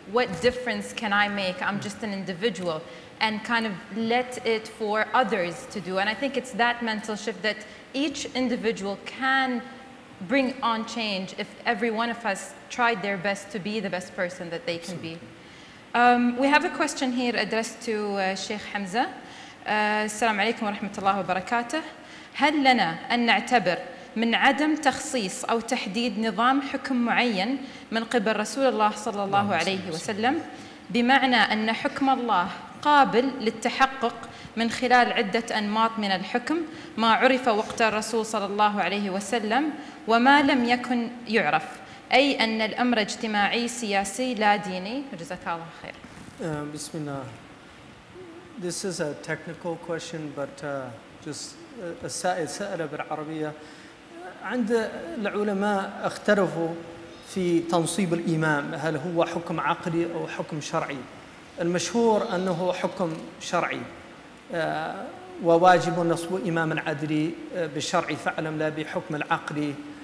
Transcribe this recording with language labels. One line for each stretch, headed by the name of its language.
English: What difference can I make? I'm just an individual. And kind of let it for others to do. And I think it's that mental shift that each individual can bring on change if every one of us tried their best to be the best person that they can be. We have a question here addressed to Sheikh Hamza. Assalamu alaikum wa rahmatullahi wa barakatuh.
Arabic: هل لنا أن نعتبر من عدم تخصيص أو تحديد نظام حكم معين من قبل رسول الله صلى الله عليه وسلم بمعنى أن حكم الله قابل للتحقق من خلال عدة أنماط من الحكم ما عرف وقت الرسول صلى الله عليه وسلم وما لم يكن يعرف أي أن الأمر اجتماعي سياسي لا ديني جزاك الله خير بسم الله.
English: This is a technical question, but just
Arabic: السائل سأل بالعربية. عند العلماء اختلفوا في تنصيب الإمام هل هو حكم عقلي أو حكم شرعي. المشهور أنه حكم شرعي وواجب نصب إمام عدل بالشرع فعلم لا بحكم العقلي.